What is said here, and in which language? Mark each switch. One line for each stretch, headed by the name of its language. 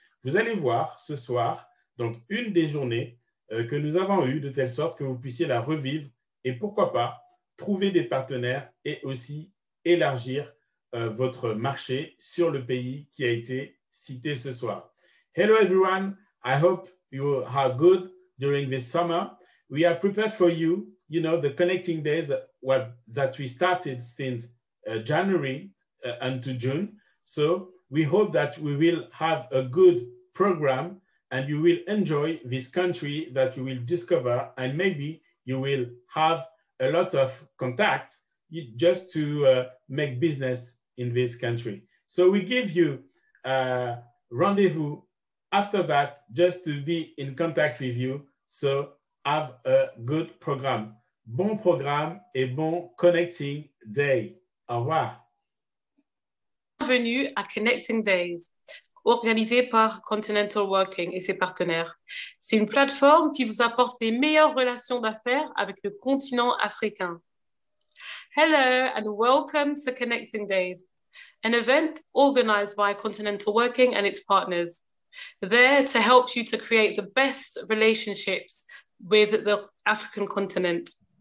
French: Vous allez voir ce soir, donc une des journées que nous avons eues de telle sorte que vous puissiez la revivre et pourquoi pas trouver des partenaires et aussi élargir votre marché sur le pays qui a été cité ce soir.
English: Hello everyone, I hope you are good during this summer. We are prepared for you, you know, the connecting days that we started since January until June. So we hope that we will have a good program and you will enjoy this country that you will discover and maybe you will have a lot of contact just to make business in this country. So we give you rendezvous after that, just to be in contact with you. So have a good program.
French: Bon programme et bon connecting day. Au revoir. Bienvenue à Connecting Days, organisée par Continental Working et ses partenaires. C'est une plateforme qui vous apporte les meilleures relations d'affaires avec le continent africain.
English: Hello and welcome to Connecting Days, an event organized by Continental Working and its partners, there to help you to create the best relationships with the African continent.